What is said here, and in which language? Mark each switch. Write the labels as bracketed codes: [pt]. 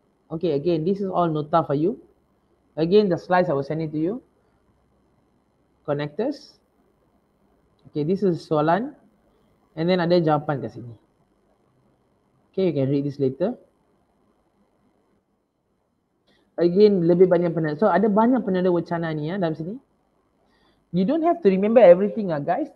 [en] Okay, again, this is all nota for you. Again, the slides I will send it to you. Connectors. Okay, this is soalan. And then [ms] ada jawapan kat sini. [en] Okay, you can read this later. [ms] Again, lebih banyak penanda. So, ada banyak penanda wacana ni ya dalam sini. [en] You don't have to remember everything lah guys.